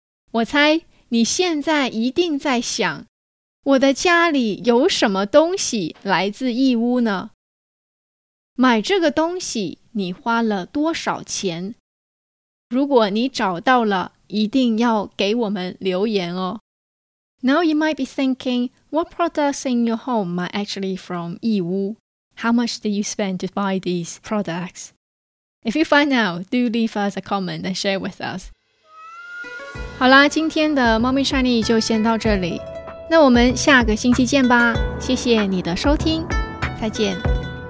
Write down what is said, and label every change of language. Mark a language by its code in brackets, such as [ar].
[zh] 我猜你现在一定在想，我的家里有什么东西来自义乌呢？买这个东西你花了多少钱？如果你找到了，一定要给我们留言哦。 [en] Now you might be thinking, what products in your home might actually from 义乌? How much do you spend to buy these products? If you find out, do leave us a comment and share with us. [zh] 好啦，今天的猫咪 Chinese 就先到这里，那我们下个星期见吧，谢谢你的收听，再见。